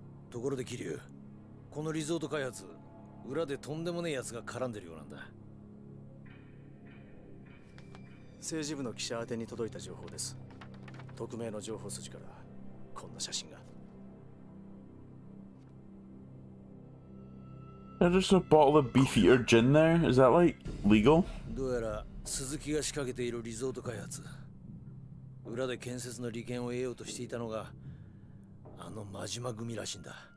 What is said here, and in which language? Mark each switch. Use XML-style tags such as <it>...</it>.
<ja>ところで桐生、このリゾート開発、裏でとんでもねえやつが絡んでるようなんだ。政治部の記者宛てに届いた情報です。匿名の情報筋からこんな写真が。</ja> <en>Is there just a bottle of beef eater gin there? Is that like legal?</en> <ja>どうやら鈴木が仕掛けているリゾート開発、裏で建設の利権を得ようとしていたのがあの真島組らしいんだ。</ja>